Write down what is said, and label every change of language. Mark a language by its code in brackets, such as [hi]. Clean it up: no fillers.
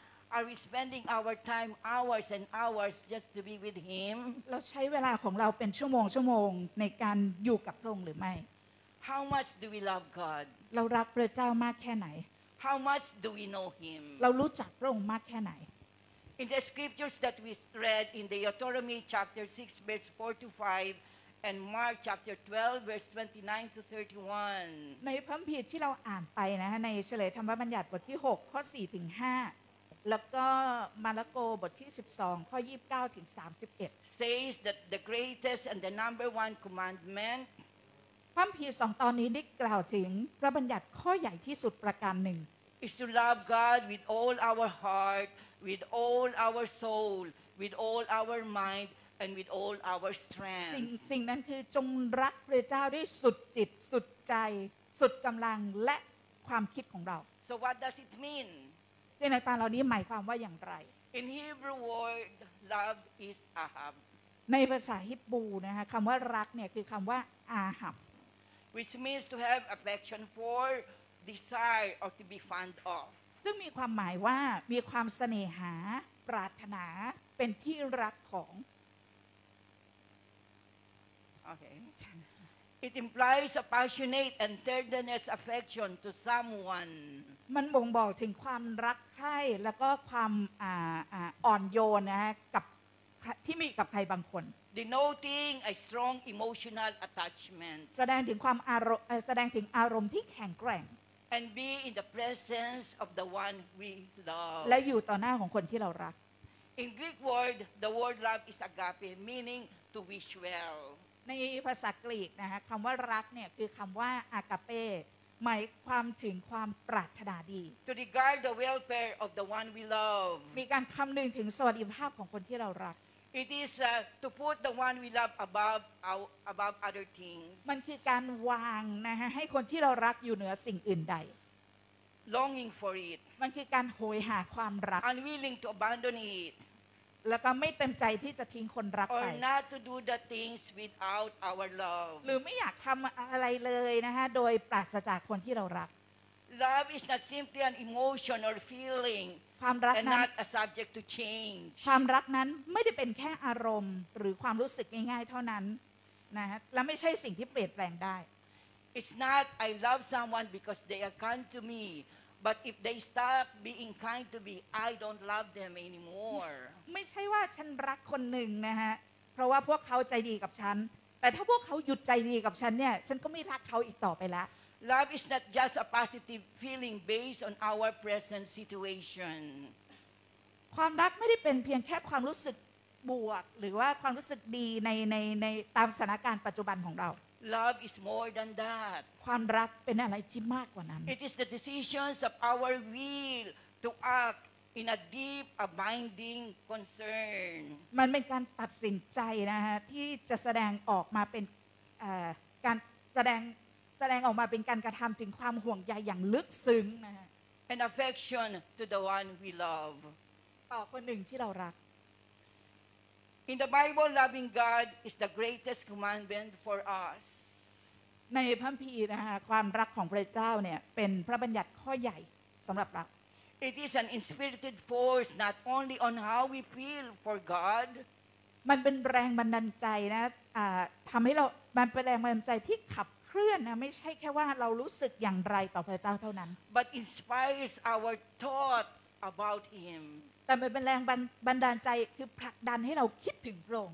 [en] Are we spending our time hours and hours just to be with him? [th] เราใช้เวลาของเราเป็นชั่วโมงชั่วโมงในการอยู่กับพระองค์หรือไม่ [en] How much do we love God? [th] เรารักพระเจ้ามากแค่ไหน [en] How much do we know him? [th] เรารู้จักพระองค์มากแค่ไหน [en] In the scriptures that we read in Deuteronomy chapter 6 verse 4 to 5 and Mark chapter 12 verse 29 to 31 [th] ในพระคัมภีร์ที่เราอ่านไปนะฮะในเฉลยธรรมบัญญัติบทที่6ข้อ4ถึง5แล้วก็มาระโกบทที่12ข้อ29ถึง31 [en] says that the greatest and the number one commandment [th] พระคัมภีร์2ตอนนี้ได้กล่าวถึงพระบัญญัติข้อใหญ่ที่สุดประการหนึ่ง [en] is to love God with all our heartwith all our soul with all our mind and with all our strength [th] สิ่งนั้นคือจงรักพระเจ้าด้วยสุดจิตสุดใจสุดกำลังและความคิดของเรา [en] so what does it mean [th] สิ่งต่างๆเหล่านี้หมายความว่าอย่างไร [en] in hebrew word love is aham [th] ในภาษาฮิบรูนะคะคำว่ารักเนี่ยคือคำว่าอาหัม [en] which means to have affection for desire or to be fond of [th] ซึ่งมีความหมายว่ามีความเสน่หาปรารถนาเป็นที่รักของ [en] Okay It implies a passionate and tenderness affection to someone [th] มันบ่งบอกถึงความรักใคร่แล้วก็ความอ่อนโยนนะกับที่มีกับใครบางคน [en] denoting a strong emotional attachment [th] แสดงถึงความอารมณ์แสดงถึงอารมณ์ที่แข็งแกร่ง [en] and be in the presence of the one we love [th] และอยู่ต่อหน้าของคนที่เรารัก [en] in Greek word the word love is agape meaning to wish well [th] ในภาษากรีกนะฮะคำว่ารักเนี่ยคือคำว่าอากาเปหมายความถึงความปรารถนาดี [en] To regard the welfare of the one we love [th] มีการคำนึงถึงสวัสดิภาพของคนที่เรารัก [en] It is to put the one we love above other things [th] มันคือการวางนะฮะให้คนที่เรารักอยู่เหนือสิ่งอื่นใด [en] Longing for it [th] มันคือการโหยหาความรัก [en] Unwilling to abandon it [th] แล้วก็ไม่เต็มใจที่จะทิ้งคนรักไป [en] Or not to do the things without our love [th] หรือไม่อยากทำอะไรเลยนะฮะโดยปราศจากคนที่เรารัก [en] Love is not simply an emotion or feeling [th] ความรักนั้ น [en] And not a subject to change [th] ความรักนั้นไม่ได้เป็นแค่อารมณ์หรือความรู้สึกง่ายๆเท่านั้นนะฮะและไม่ใช่สิ่งที่เปลี่ยนแปลงได้ [en] It's not I love someone because they are kind to meBut if they stop being kind to me, I don't love them anymore. [th] ไม่ใช่ว่าฉันรักคนหนึ่งนะฮะเพราะว่าพวกเขาใจดีกับฉันแต่ถ้าพวกเขาหยุดใจดีกับฉันเนี่ยฉันก็ไม่รักเขาอีกต่อไปละ [en] Love is not just a positive feeling based on our present situation. [th] ความรักไม่ได้เป็นเพียงแค่ความรู้สึกบวกหรือว่าความรู้สึกดีในตามสถานการณ์ปัจจุบันของเรา [en] Love is more than that. [th] ความรักเป็นอะไรที่มากกว่านั้น [en] It is the decisions of our will to act in a deep, abiding concern. [th] มันเป็นการตัดสินใจนะฮะที่จะแสดงออกมาเป็นการแสดงออกมาเป็นการกระทำถึงความห่วงใยอย่างลึกซึ้งนะฮะ [en] An affection to the one we love. [th] ต่อคนหนึ่งที่เรารัก [en] In the Bible, loving God is the greatest commandment for us. [th] ในพระคัมภีร์นะคะความรักของพระเจ้าเนี่ยเป็นพระบัญญัติข้อใหญ่สำหรับเรา [en] It is an inspired force not only on how we feel for God. [th] มันเป็นแรงบันดาลใจนะทำให้เรามันเป็นแรงบันดาลใจที่ขับเคลื่อนนะไม่ใช่แค่ว่าเรารู้สึกอย่างไรต่อพระเจ้าเท่านั้น [en] But inspires our thought about Him. [th] แต่มันเป็นแรงบันดาลใจคือผลักดันให้เราคิดถึงพระองค